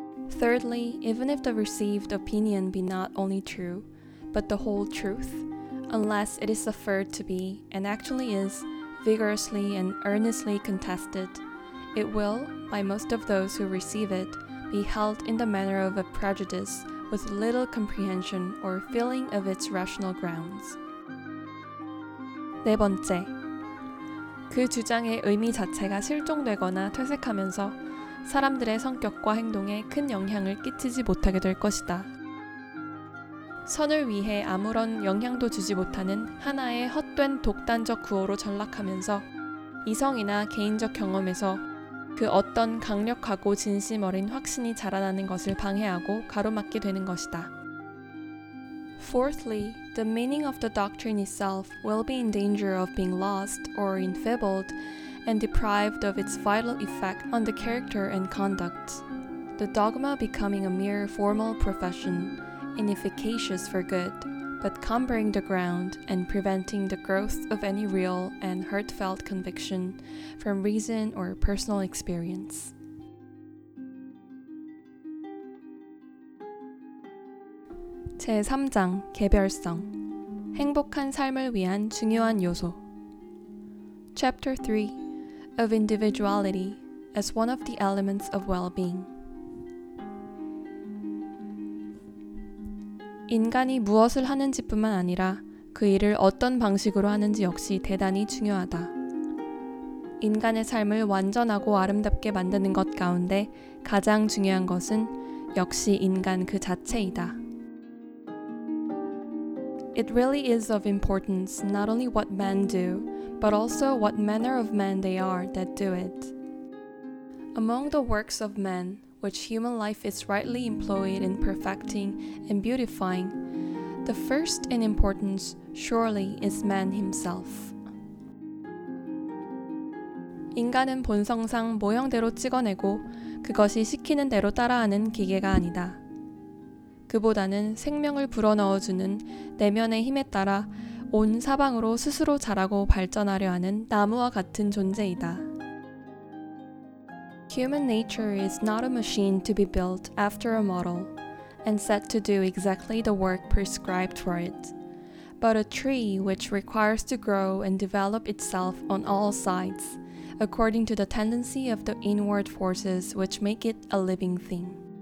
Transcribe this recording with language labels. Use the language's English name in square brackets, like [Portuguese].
[English] Thirdly, even if the received opinion be not only true, but the whole truth, unless it is affirmed to be and actually is vigorously and earnestly contested, it will, by most of those who receive it, be held in the manner of a prejudice with little comprehension or feeling of its rational grounds. [Korean] 네 번째, 그 주장의 의미 자체가 실종되거나 퇴색하면서 사람들의 성격과 행동에 큰 영향을 끼치지 못하게 될 것이다. 선을 위해 아무런 영향도 주지 못하는 하나의 헛된 독단적 구호로 전락하면서 이성이나 개인적 경험에서 그 어떤 강력하고 진심 어린 확신이 자라나는 것을 방해하고 가로막게 되는 것이다. [English] Fourthly, the meaning of the doctrine itself will be in danger of being lost or enfeebled and deprived of its vital effect on the character and conduct. The dogma becoming a mere formal profession, inefficacious for good, but cumbering the ground and preventing the growth of any real and heartfelt conviction from reason or personal experience. [Korean] 제3장 개별성, 행복한 삶을 위한 중요한 요소. [English] Chapter 3, of individuality as one of the elements of well-being. [Korean] 인간이 무엇을 하는지뿐만 아니라 그 일을 어떤 방식으로 하는지 역시 대단히 중요하다. 인간의 삶을 완전하고 아름답게 만드는 것 가운데 가장 중요한 것은 역시 인간 그 자체이다. [English] It really is of importance not only what men do, but also what manner of men they are that do it. Among the works of men, which human life is rightly employed in perfecting and beautifying, the first in importance, surely, is man himself. [Korean] 인간은 본성상 모형대로 찍어내고 그것이 시키는 대로 따라하는 기계가 아니다. 그보다는 생명을 불어넣어주는 내면의 힘에 따라 온 사방으로 스스로 자라고 발전하려 하는 나무와 같은 존재이다. [English] Human nature is not a machine to be built after a model and set to do exactly the work prescribed for it, but a tree which requires to grow and develop itself on all sides, according to the tendency of the inward forces which make it a living thing.